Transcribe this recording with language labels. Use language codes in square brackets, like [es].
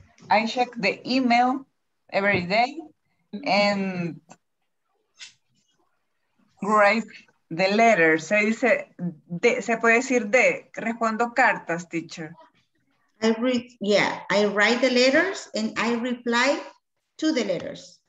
[en] I check the email every day and write the letter. [es] Se dice de, se puede decir de, respondo cartas, teacher. [en] I write the letters and I reply to the letters.